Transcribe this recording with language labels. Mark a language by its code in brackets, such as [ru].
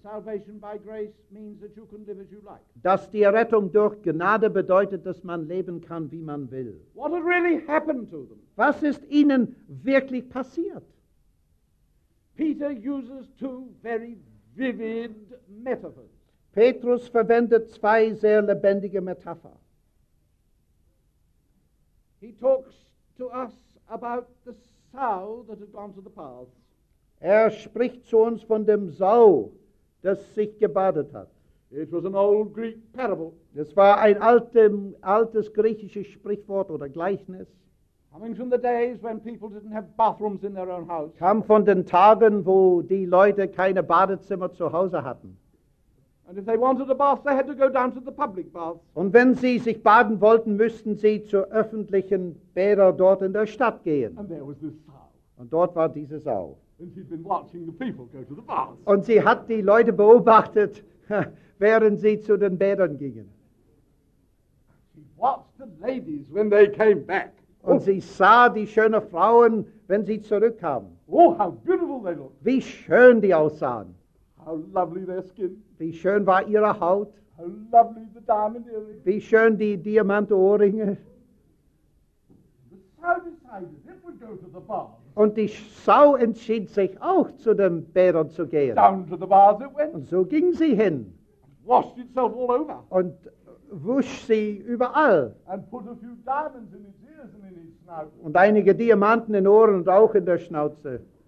[en] Salvation by grace means that you can live as you like. [de] Dass die Errettung durch Gnade bedeutet, dass man leben kann, wie man will. [en] What had really happened to them? [de] Was ist ihnen wirklich passiert? [en] Peter uses two very vivid metaphors. [de] Petrus verwendet zwei sehr lebendige Metapher. [en] He talks to us about the sow that had gone to the paths. [de] Er spricht zu uns von dem Sau, das sich gebadet hat. [en] It was an old Greek parable. [de] Es war ein altes griechisches Sprichwort oder Gleichnis. [en] Coming from the days when people didn't have bathrooms in their own house. [de] Kam von den Tagen, wo die Leute keine Badezimmer zu Hause hatten. [en] And if they wanted a bath, they had to go down to the public bath. [de] Und wenn sie sich baden wollten, müssten sie zu öffentlichen Bädern dort in der Stadt gehen. [en] And there was this sow. [de] Und dort war diese Sau. [en] And she'd been watching the people go to the bath. [de] Und sie hat die Leute beobachtet, während sie zu den Bädern gingen. [en] She watched the ladies when they came back. [de] Und sie sah die schönen Frauen, wenn sie zurückkamen. [en] Oh, how beautiful they looked. [de] Wie schön die aussahen. [en] How lovely their skin. [de] Wie schön war ihre Haut. [en] How lovely the diamond earrings. [de] Wie schön die Diamant-Ohrringe. [en] The sow decided it would go to the bath. [de] Und die Sau entschied sich auch, zu den Bädern zu gehen. [en] Down to the bath it went. [de] Und so ging sie hin. [en] Washed itself all over. [de] Und wusch sie überall. [en] And put a few diamonds in its ears and in its snout. [de] Und einige Diamanten in Ohren und auch in der Schnauze.